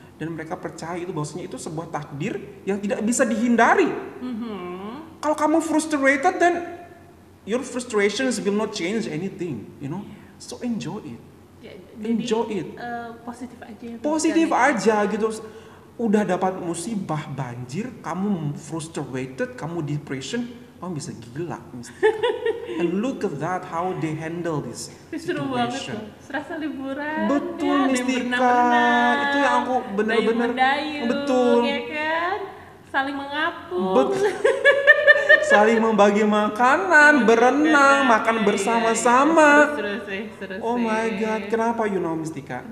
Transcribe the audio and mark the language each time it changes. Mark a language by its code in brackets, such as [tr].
[id] Dan mereka percaya itu bahwasanya itu sebuah takdir yang tidak bisa dihindari. Mm-hmm. Kalau kamu [en] frustrated, then your frustrations will not change anything, you know. Yeah. So enjoy it. Yeah, enjoy it. [id] Positif aja. Positif aja gitu. Udah dapat musibah banjir, kamu frustrated, kamu depression, kamu bisa gila. [en] And look at that, how they handle this situation. [id] Seru banget tuh, serasa liburan. Betul, ya, Mistika. Itu yang aku benar-benar. Betul. Ya kan? Saling mengapung. Saling membagi makanan, berenang, makan bersama-sama. Seru sih. [en] Oh my god, [id] kenapa [en] you know Mistika?